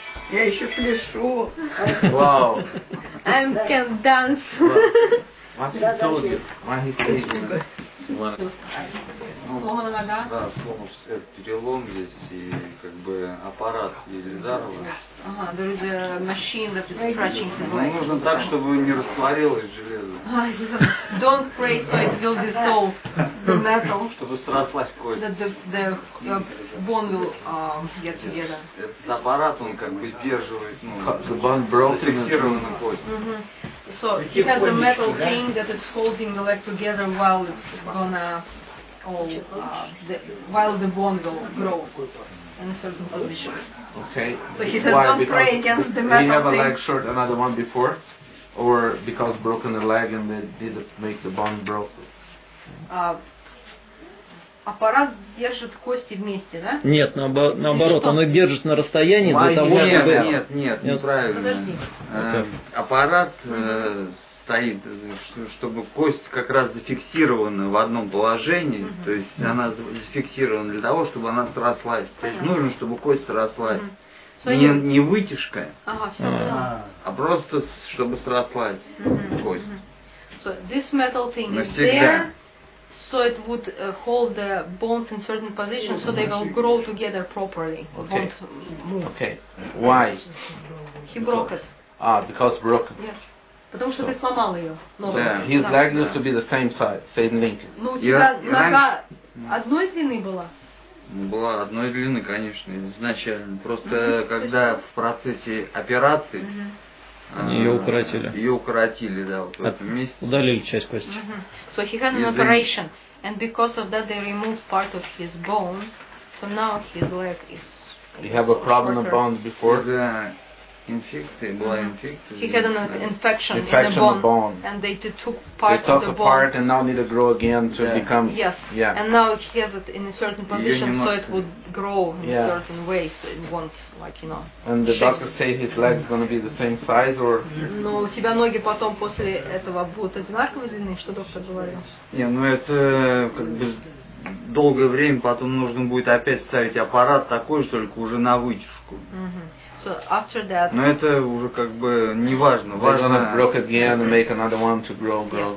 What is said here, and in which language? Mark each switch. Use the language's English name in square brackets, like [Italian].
[Russian] Я еще пляшу. [English] Wow. I can dance. What he told you? What he said? [Russian] Сломана нога? Да, перелом здесь и как бы аппарат елизарова. [English] Ага, there is a machine that is scratching the leg. [Russian] Ну, нужно так, чтобы не растворилось железо. [English] Don't pray so it will dissolve metal. [Russian] Чтобы срослась кость. [English] That the bone will get together. [Russian] Этот аппарат, он как бы сдерживает, ну, [English] the bone broke, [Russian] фиксированную кость. [English] So he has a metal thing that is holding the leg together while it's gonna all while the bone will grow in a certain position. Okay. So he said, why? Don't pray against the metal thing. Did he have a leg short, another one before, or because broken the leg and they didn't make the bone broke? [Russian] Аппарат держит кости вместе, да? Нет, наоборот, оно держит на расстоянии для того, нет, чтобы... Нет, неправильно. Подожди. Аппарат стоит, чтобы кость как раз зафиксирована в одном положении, то есть она зафиксирована для того, чтобы она срослась. То есть нужно, чтобы кость срослась. Не вытяжка, а просто чтобы срослась кость. Навсегда. [English] So it would hold the bones in certain positions, so they will grow together properly. Okay. Won't move. Okay. Why? He broke it. Ah, because broken. [Russian] Yes. Потому что ты сломал ее. [English] Yeah. His leg used to be the same size, same length. [Russian] Ну, у тебя нога одной длины была? Была одной длины, конечно. Изначально. Просто когда в процессе операции ее укоротили. Ее укоротили, да, вот в этом месте. Удалили часть кости. [English] So he had an operation, and because of that they removed part of his bone, so now his leg is... You have a problem of bones before the infection, [Russian] была инфекция. [English] He had an infection, infection in the bone, bone, and they took part they took of the apart bone. They took apart and now need to grow again to become... Yes, and now he has it in a certain position, so it would grow in a certain way, so it won't, like, you know... And the doctor say his leg is going to be the same size, or... [Russian] Но у тебя ноги потом после этого будут одинаковые длины, что доктор говорил? Не, ну это как бы... Долгое время потом нужно будет опять ставить аппарат такой же, только уже на вытяжку. [English] So after that, [Russian] но это уже как бы не важно. Важно, [English] they're gonna broke again and make another one to grow.